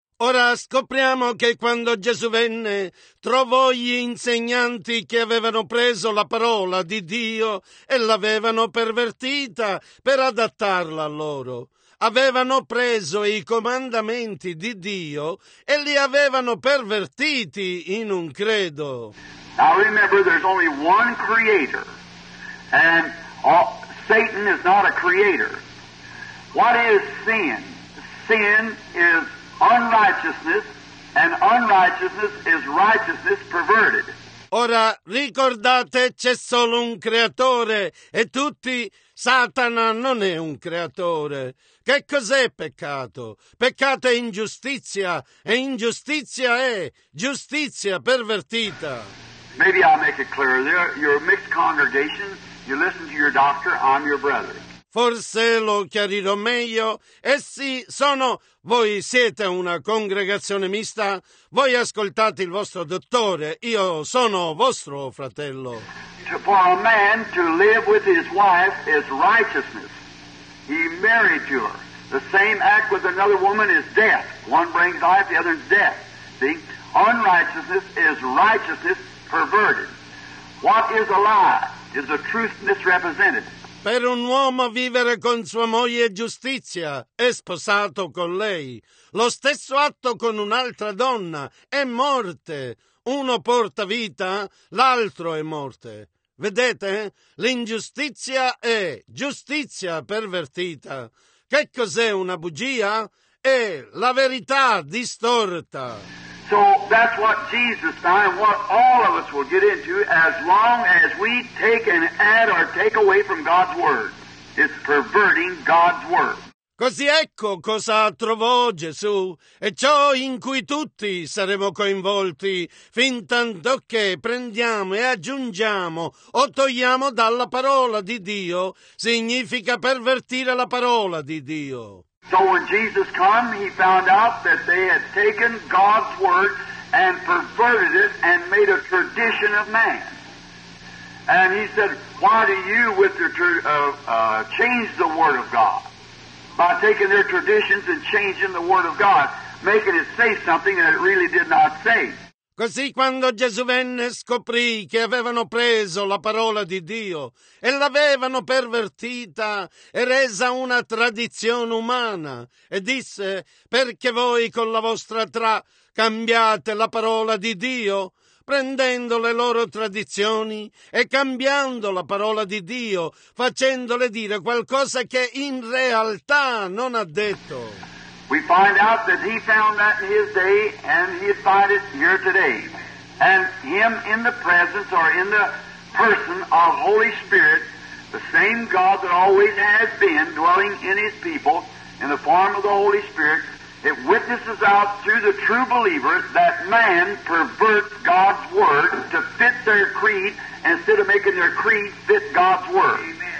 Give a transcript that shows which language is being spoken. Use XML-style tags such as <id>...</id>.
<it>Ora scopriamo che quando Gesù venne, trovò gli insegnanti che avevano preso la parola di Dio e l'avevano pervertita per adattarla a loro. Avevano preso i comandamenti di Dio e li avevano pervertiti in un credo.</it> <en>Now remember, there's only one creator, and Satan is not a creator. What is sin? Sin is unrighteousness, and unrighteousness is righteousness perverted.</en> <it>Ora ricordate, c'è solo un creatore, e tutti, Satana non è un creatore. Che cos'è peccato? Peccato è ingiustizia, e ingiustizia è giustizia pervertita.</it> <en>Maybe I'll make it clearer. You're a mixed congregation, you listen to your doctor, I'm your brother.</en> <it>Forse lo chiarirò meglio. Essi sono, voi siete una congregazione mista, voi ascoltate il vostro dottore, io sono vostro fratello.</it> <en>For a man to live with his wife is righteousness. He married to her. The same act with another woman is death. One brings life, the other is death. See? Unrighteousness is righteousness perverted. What is a lie? Is the truth misrepresented?</en> <it>Per un uomo vivere con sua moglie è giustizia, è sposato con lei. Lo stesso atto con un'altra donna è morte. Uno porta vita, l'altro è morte. Vedete? L'ingiustizia è giustizia pervertita. Che cos'è una bugia? È la verità distorta.</it> <en>So that's what Jesus died, and what all of us will get into as long as we take and add or take away from God's Word. It's perverting God's Word.</en> <it>Così ecco cosa trovò Gesù, e ciò in cui tutti saremo coinvolti, fin tanto che prendiamo e aggiungiamo o togliamo dalla parola di Dio, significa pervertire la parola di Dio.</it> <en>So when Jesus came, he found out that they had taken God's word and perverted it and made a tradition of man. And he said, why do you with the change the word of God? By taking their traditions and changing the word of God, making it say something that it really did not say.</en> <it>Così quando Gesù venne scoprì che avevano preso la parola di Dio e l'avevano pervertita e resa una tradizione umana, e disse, perché voi con la vostra cambiate la parola di Dio, prendendo le loro tradizioni e cambiando la parola di Dio, facendole dire qualcosa che in realtà non ha detto.</it> <en>We find out that he found that in his day, and he found it here today. And him in the presence or in the person of Holy Spirit, the same God that always has been dwelling in his people in the form of the Holy Spirit, it witnesses out through the true believers that man perverts God's word to fit their creed instead of making their creed fit God's word.</en>